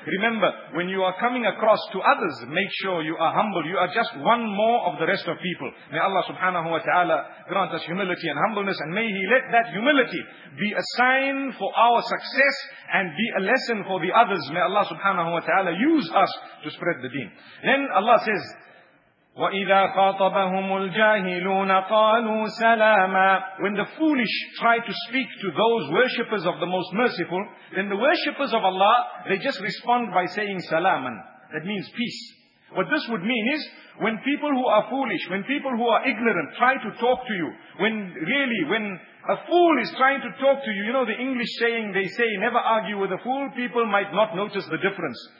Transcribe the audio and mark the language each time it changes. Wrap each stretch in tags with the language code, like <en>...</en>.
<en>Remember, when you are coming across to others, make sure you are humble. You are just one more of the rest of people. May Allah subhanahu wa ta'ala grant us humility and humbleness, and may He let that humility be a sign for our success and be a lesson for the others. May Allah subhanahu wa ta'ala use us to spread the deen. Then Allah says,</en> <ar>وَإِذَا خَاطَبَهُمُ الْجَاهِلُونَ قَالُوا سَلَامًا.</ar> <en>When the foolish try to speak to those worshippers of the Most Merciful, then the worshippers of Allah, they just respond by saying salaman. That means peace. What this would mean is, when people who are foolish, when people who are ignorant try to talk to you, when a fool is trying to talk to you, you know the English saying, they say, never argue with a fool, people might not notice the difference.</en>